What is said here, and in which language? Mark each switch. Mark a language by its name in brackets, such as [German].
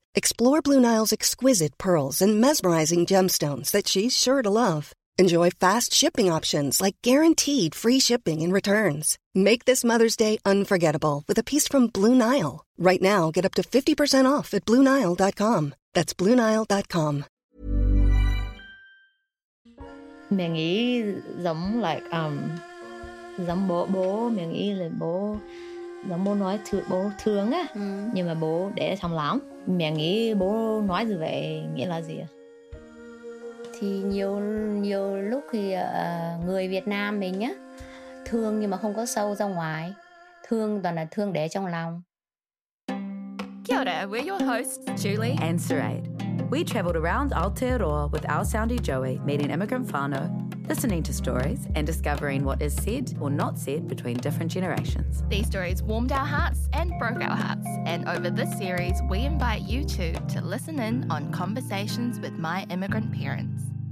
[English] Explore Blue Nile's exquisite pearls and mesmerizing gemstones that she's sure to love. Enjoy fast shipping options like guaranteed free shipping and returns. Make this Mother's Day unforgettable with a piece from Blue Nile. Right now, get up to 50% off at BlueNile.com. That's BlueNile.com. [Vietnamese] Mình nghĩ giống like giống bố bố mình nghĩ là bố giống bố nói thương bố thương á nhưng mà bố để trong lòng. Mình nghĩ bố nói như vậy nghĩa là gì? Thì nhiều lúc thì người Việt Nam mình nhá thương nhưng mà không có sâu ra ngoài, thương toàn là thương để trong lòng. [English] Kia ora, we're your hosts, Julie and Sarade. We travelled around Aotearoa with our soundie Joey, meeting immigrant whānau, listening to stories and discovering what is said or not said between different generations. These stories warmed our hearts and broke our hearts. And over this series, we invite you two to listen in on conversations with my immigrant parents.